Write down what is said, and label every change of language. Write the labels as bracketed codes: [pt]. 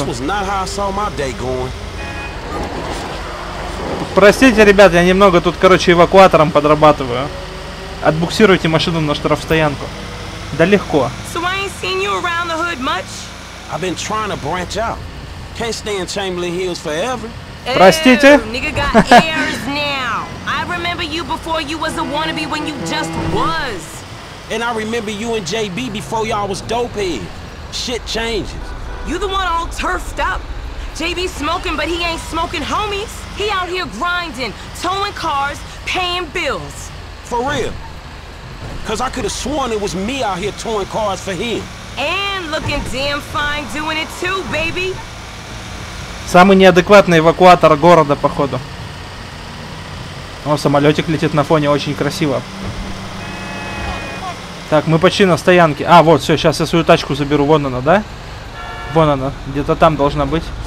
[en] This was not how I saw my day going. [ru] Простите, ребят, я немного тут, короче, эвакуатором подрабатываю. Отбуксируйте машину на штрафстоянку. Да легко. [en] So I ain't seen you around the hood much? I've been trying to branch out. Can't stay in Chamberlain Hills forever. [ru] Простите? [en] Nigga got ears now. I remember you before you was a wannabe when you just was. And I remember you and JB before y'all was dopehead. Shit changes. You the one all turfed up? JB smoking, but he ain't smoking homies. He out here grinding, towing cars, paying bills. For real? Cause I could have sworn it was me out here towing cars for him. And looking damn fine doing it too, baby. [ru] Самый неадекватный эвакуатор города, походу. О, самолетик летит на фоне очень красиво. Так, мы почти на стоянке. А, вот, все, сейчас я свою тачку заберу. Вон она, да? Вон она, где-то там должна быть.